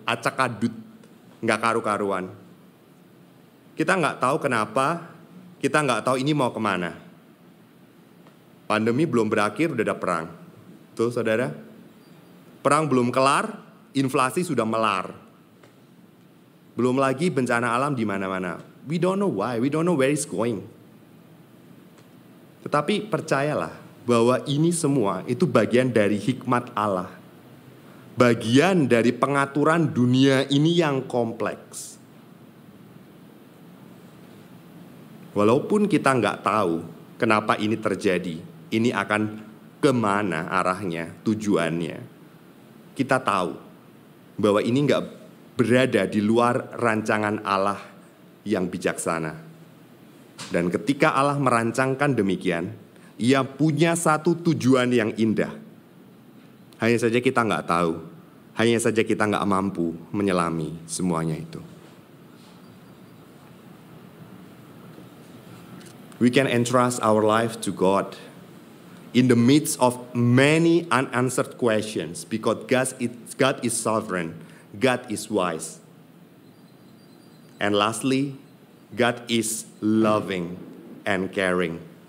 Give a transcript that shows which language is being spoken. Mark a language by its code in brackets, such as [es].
[id] Acak-adut, nggak karu-karuan. Kita nggak tahu kenapa, kita nggak tahu ini mau kemana. Pandemi belum berakhir, udah ada perang. Betul, saudara? Perang belum kelar, inflasi sudah melar. Belum lagi bencana alam di mana-mana. [en] We don't know why, we don't know where it's going. [id] Tetapi percayalah bahwa ini semua itu bagian dari hikmat Allah. Bagian dari pengaturan dunia ini yang kompleks. Walaupun kita nggak tahu kenapa ini terjadi, ini akan kemana arahnya, tujuannya, kita tahu bahwa ini nggak berada di luar rancangan Allah yang bijaksana. Dan ketika Allah merancangkan demikian, Ia punya satu tujuan yang indah. Hanya saja kita nggak tahu, hanya saja kita nggak mampu menyelami semuanya itu. [en] We can entrust our life to God in the midst of many unanswered questions, because God is sovereign, God is wise. And lastly, God is loving and caring.